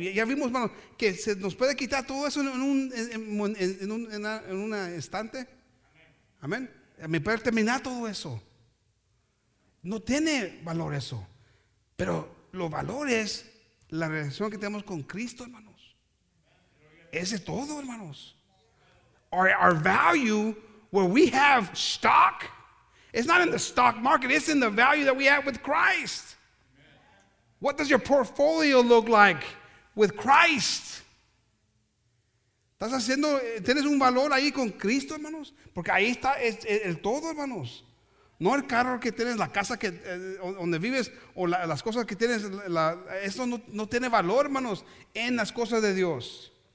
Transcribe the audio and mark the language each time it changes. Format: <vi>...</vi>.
<es>Ya vimos, hermano, que se nos puede quitar todo eso en un instante. Amén. Me puede terminar todo eso. No tiene valor eso. Pero lo valor es la relación que tenemos con Cristo, hermanos. Ese es todo, hermanos.</es> <en>Our value, where we have stock, it's not in the stock market, it's in the value that we have with Christ. What does your portfolio look like with Christ?</en> <es>¿Estás haciendo, tienes un valor ahí con Cristo, hermanos? Porque ahí está el todo, hermanos. No el carro que tienes, la casa que, donde vives, o las cosas que tienes. Eso no tiene valor, hermanos, en las cosas de Dios.</es>